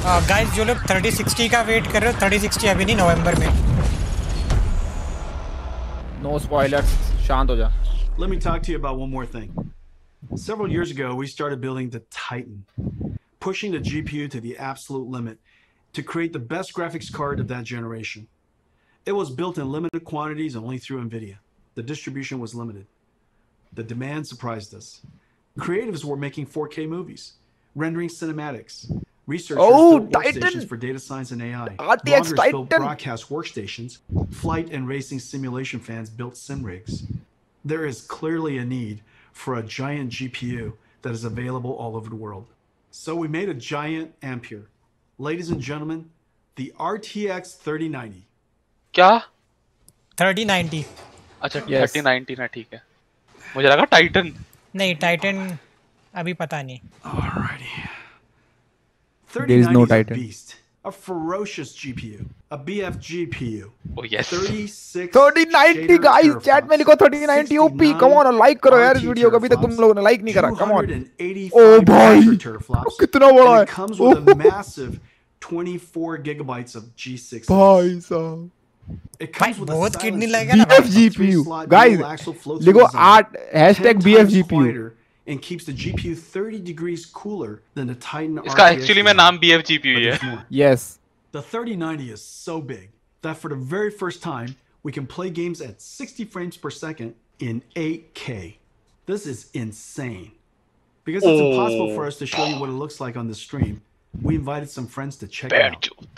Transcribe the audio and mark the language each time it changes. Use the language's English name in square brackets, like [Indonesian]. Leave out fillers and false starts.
[Hindi] Guys जो लोग 3060 का वेट कर रहे हो 3060 अभी नहीं नवंबर में [English] No spoilers. [Hindi] Shant ho ja. [English] Let me talk to you about one more thing. Several years ago, we started building the Titan, pushing the GPU to the absolute limit to create the best graphics card of that generation. It was built in limited quantities only through NVIDIA. The distribution was limited. The demand surprised us. Creatives were making 4K movies, rendering cinematics, Researchers built workstations for data science and AI. RTX Titan. Built broadcast workstations. Flight and racing simulation fans built sim rigs. There is clearly a need for a giant GPU that is available all over the world. So we made a giant Ampere. Ladies and gentlemen, the RTX 3090. [Hindi] क्या? [English] 3090. [Hindi] अच्छा [English] yes. [Hindi] 3090 ना ठीक है. मुझे लगा Titan. नहीं Titan अभी पता नहीं. [English] Alrighty. 3090 is a beast, a ferocious GPU, a BF GPU. Oh yes. [Hindi] 3090 guys, chat mein likho 3090 OP. [English] Come on, [Hindi] like karo yaar is video ko. Abhi tak tum log ne like nahi kara. [English] Come on. Oh boy. [Hindi] Kitna bada hai. [English] Comes with a massive 24 gigabytes of G6. [Hindi] Bhai saab. बहुत kidney लगेगा ना. [English] BF GPU, guys. [Hindi] Likho [English] art hashtag BF GPU. And keeps the GPU 30 degrees cooler than the Titan RTX. [Hindi] इसका actually मैं नाम BF GPU है. [English] Yes. The 3090 is so big that for the very first time we can play games at 60 frames per second in 8K. This is insane. Because it's impossible for us to show you what it looks like on the stream, we invited some friends to check it out.